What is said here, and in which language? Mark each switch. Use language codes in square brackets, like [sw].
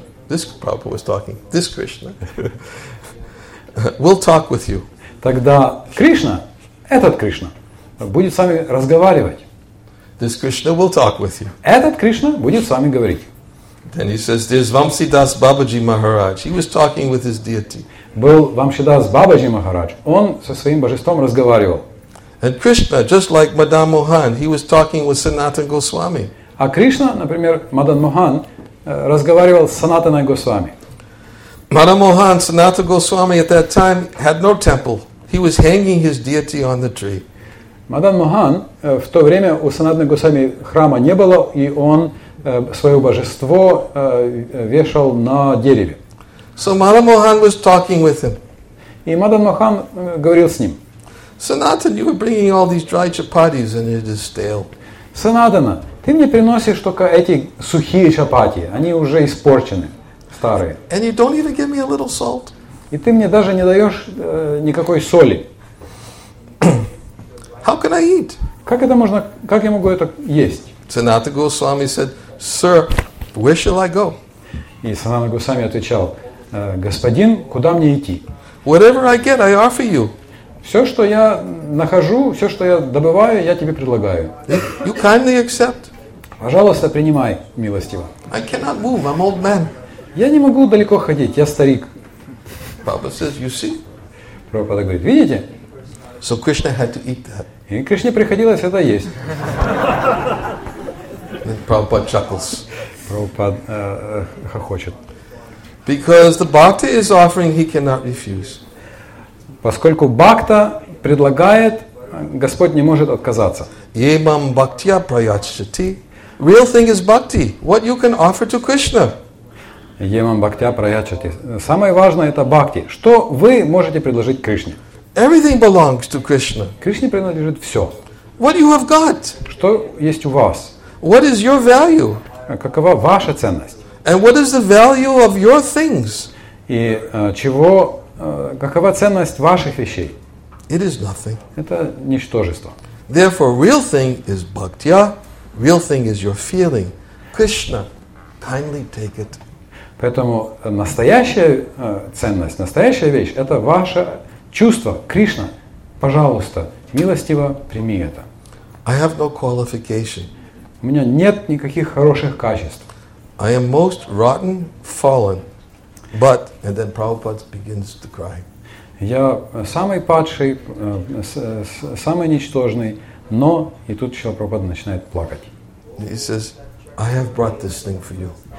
[en] then this Krishna, this Prabhupada was talking, this Krishna. We'll talk with you. [ru] Тогда Кришна, этот Кришна, будет с вами разговаривать. [en] This Krishna will talk with you. [ru] Этот Кришна будет с вами говорить. [en] Then he says, there's Vamsidas Babaji Maharaj. He was talking with his deity. [ru] Был Вамсидас Бабаджи Махарадж. Он со своим божеством разговаривал. [en] And Krishna, just like Madan Mohan, he was talking with Sanatan Goswami. [ru] А Кришна, например, Мадан Мохан, разговаривал с Санатаной Госвами. [en] Madan Mohan, Sanatana Goswami at that time had no temple. He was hanging his deity on the tree. [ru] Madan Mohan, в то время у Санатаны Госвами храма не было, и он свое божество вешал на дереве. [en] So Madan Mohan was talking with him. [ru] И Madan Mohan говорил с ним. [en] Sanatana, you were bringing all these dry chapatis and it is stale. [ru] Sanatana, ты мне приносишь только эти сухие чапати, они уже испорчены. [en] And you don't even give me a little salt. [ru] И ты мне даже не даешь никакой соли. [en] How can I eat? [ru] Как это можно? Как я могу это есть? [en] Sanatana Goswami said, "Sir, where shall I go?" [ru] И Санатана Госвами отвечал: "Господин, куда мне идти?" [en] Whatever I get, I offer you. [ru] Все, что я нахожу, все, что я добываю, я тебе предлагаю. [en] You kindly accept. [ru] Пожалуйста, принимай милостиво. [en] I cannot move. I'm old man. [ru] Я не могу далеко ходить, я старик. [en] Prabhupada says, you see? [ru] Prabhupada говорит, видите? [en] So Krishna had to eat that. [ru] И Кришне приходилось это есть. [en] Prabhupada chuckles. [ru] Prabhupada хохочет. [en] Because the bhakta is offering, he cannot refuse. [ru] Поскольку бхакта предлагает, Господь не может отказаться. [sa] Yemam bhaktya prayachati. [en] Real thing is bhakti. What you can offer to Krishna. [sa] Емам бхактя праячати. [ru] Самое важное это бхакти. Что вы можете предложить Кришне? [en] Everything belongs to Krishna. [ru] Кришне принадлежит все. [en] What you have got? [ru] Что есть у вас? [en] What is your value? [ru] Какова ваша ценность? [en] And what is the value of your things? [ru] И чего, какова ценность ваших вещей? [en] It is nothing. [ru] Это ничтожество. [en] Therefore, real thing is bhaktya. Real thing is your feeling. Krishna, kindly take it. [ru] Поэтому настоящая ценность, настоящая вещь — это ваше чувство. Кришна, пожалуйста, милостиво прими это. [en] I have no qualification. [ru] У меня нет никаких хороших качеств. [en] I am most rotten, fallen, but, and then Prabhupada begins to cry. [ru] Я самый падший, самый ничтожный, но, и тут Шрила Прабхупада начинает плакать. [en] He says, I have brought this thing for you.